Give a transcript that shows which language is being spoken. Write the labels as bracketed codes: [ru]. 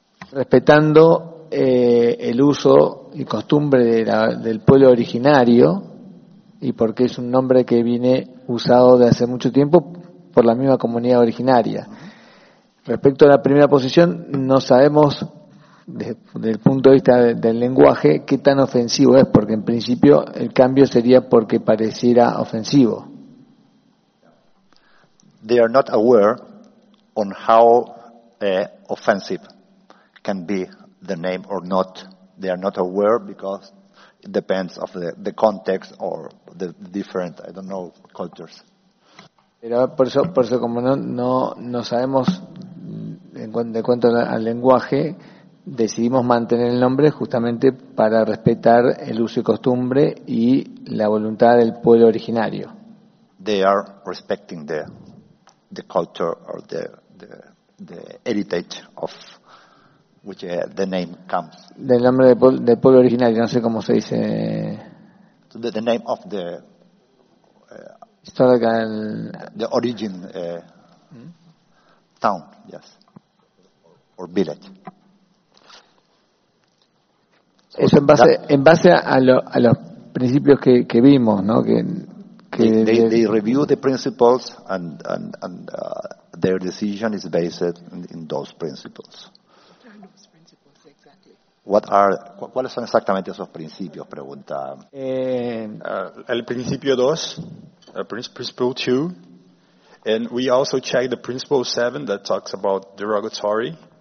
[es] Respetando el uso y costumbre del pueblo originario, y porque es un nombre que viene usado de hace mucho tiempo por la misma comunidad originaria. Respecto a la primera posición, no sabemos desde el punto de vista del lenguaje qué tan ofensivo es, porque en principio el cambio sería porque pareciera ofensivo. [en] They are not aware on how offensive can be the name or not. They are not aware because it depends of the context or the different, I don't know, cultures. [es] Pero por eso como no sabemos en cuanto al lenguaje, decidimos mantener el nombre justamente para respetar el uso y costumbre y la voluntad del pueblo originario. [en] They are respecting the culture or the heritage of which the name comes. [es] Del nombre del pueblo originario, no sé cómo se dice. [en] So the name of the historical the origin town, yes, or village. [es] Eso en base a los principios que vimos, ¿no? [en] They review the principles and their decision is based in those principles. [es] ¿Cuáles son exactamente esos principios? Pregunta. El principio 2, [en] principle 2, and we also checked the principle 7 that talks about derogatory.